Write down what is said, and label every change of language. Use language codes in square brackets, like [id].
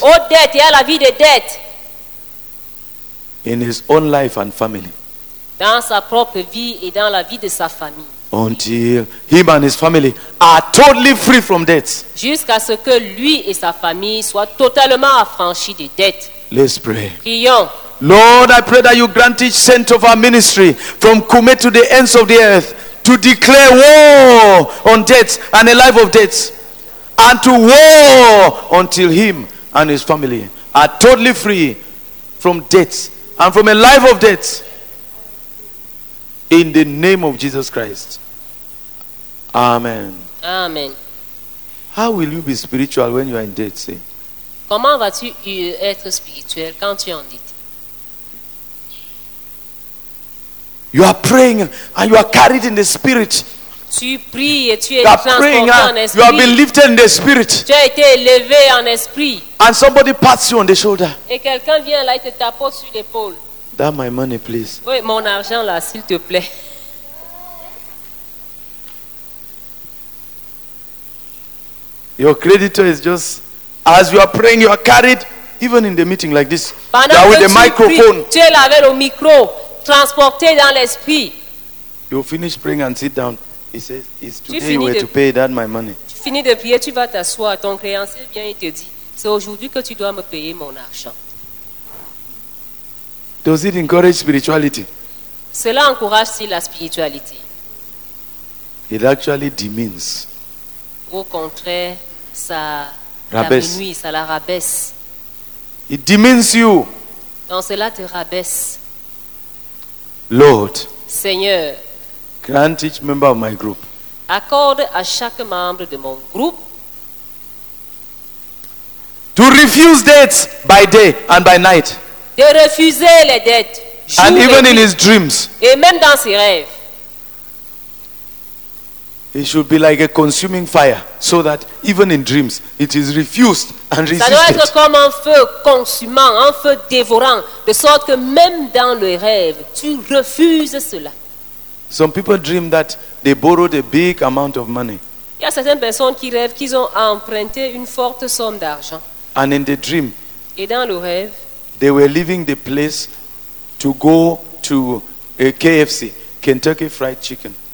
[fr] Aux dettes et à la vie de dette. [en] In his own life and family. [fr] Dans sa propre vie et dans la vie de sa famille. [en] Until him and his family are totally free from debt. [fr] Jusqu'à ce que lui et sa famille soient totalement affranchis des dettes. [en] Let's pray. [fr] Prions. [en] Lord, I pray that you grant each saint of our ministry from Kume to the ends of the earth to declare war on debt and a life of debt, and to war until him and his family are totally free from debt and from a life of debt. In the name of Jesus Christ. Amen. Amen. How will you be spiritual when you are in debt, say? [fr] Comment vas-tu être spirituel quand tu es en dette? [en] You are praying and you are carried in the spirit. [fr] Tu pries et tu es transporté en esprit. [en] You have been lifted in the spirit. [fr] Tu as été élevé en esprit. [en] And somebody pats you on the shoulder. [fr] Et quelqu'un vient là et te tape sur l'épaule. [en] That my money, please. [fr] Oui, mon argent là, s'il te plaît. [en] Your creditor is just, as you are praying, you are carried, even in the meeting like this. [fr] Pendant [en] you are with [fr] que [en] the microphone. [fr] Tu es là avec le micro, transporté dans l'esprit. [en] You finish praying and sit down. He says, it's today you were to pay that my money. [fr] Tu finis de prier, tu vas t'asseoir. Ton créancier vient et te dit, c'est aujourd'hui que tu dois me payer mon argent. [en] Does it encourage spirituality? [fr] Cela encourage-t-il la spiritualité? [en] It actually demeans. [fr] Au contraire, ça rabaisse. La diminue, ça la rabaisse. [en] It demeans you. [fr] Donc cela te rabaisse. [en] Lord. [fr] Seigneur. [en] Grant each member of my group. [fr] Accorde à chaque membre de mon groupe. [en] To refuse debts by day and by night. [fr] De refuser les dettes. [en] And even in his dreams. [fr] Et même dans ses rêves. [en] It should be like a consuming fire, so that even in dreams it is refused and resisted. [fr] Ça doit être comme un feu consumant, un feu dévorant, de sorte que même dans le rêve tu refuses cela. [en] Some people dream that they borrowed a big amount of money. [fr] Il y a certaines personnes qui rêvent qu'ils ont emprunté une forte somme d'argent. [en] And in the dream. [fr] Et dans le rêve. [en] They were leaving the place to go to a KFC, Kentucky Fried Chicken,